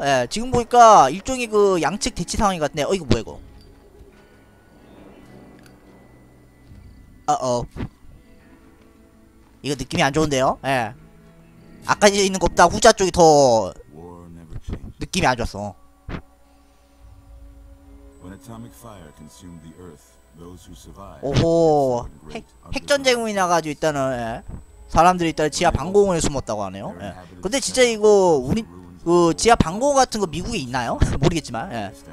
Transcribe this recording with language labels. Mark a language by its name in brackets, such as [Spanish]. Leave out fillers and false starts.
[Korean] 예 지금 보니까 일종의 그 양측 대치 상황인 것 같네. 어 이거 뭐야 이거. 어어 이거 느낌이 안 좋은데요. 예 아까 있는 것보다 후자 쪽이 더 느낌이 안 좋았어. [English] When atomic fire consumed the earth, those who survived. [Korean] 오호 핵전쟁이 나가지고 있다는. 예. 사람들이 있다 지하 방공호에 숨었다고 하네요. 예. 근데 진짜 이거 우리 그 지하 방공호 같은 거 미국에 있나요? 모르겠지만. 예.